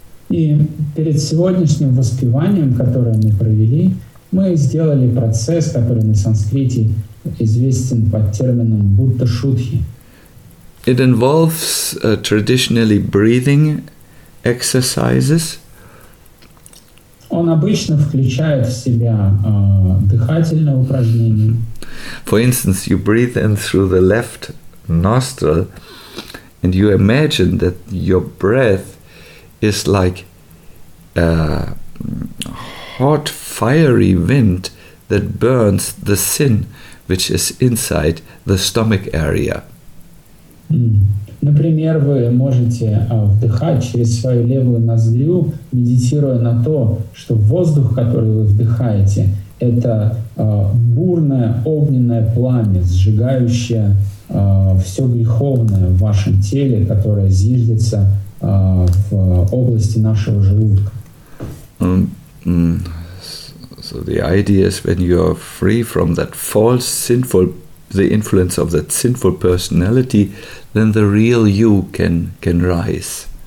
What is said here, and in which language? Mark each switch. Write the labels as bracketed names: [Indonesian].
[Russian] И перед сегодняшним воспеванием, которое мы провели, мы сделали процесс, который на санскрите известен под термином Buddha Shuddhi. [English] It involves traditionally breathing exercises. [Russian] Он обычно включает в себя дыхательное упражнение. [English] For instance, you breathe in through the left nostril and you imagine that your breath is like a hot, fiery wind that burns the sin which is inside the stomach area. [Russian] Например, вы можете вдыхать через свою левую ноздрю, медитируя на то, что воздух, который вы вдыхаете, это бурное огненное пламя, сжигающее все греховное в вашем теле, которое зиждется в области нашего желудка. [English] So the idea is when you are free from that false, sinful, the influence of that sinful personality, then the real you can rise.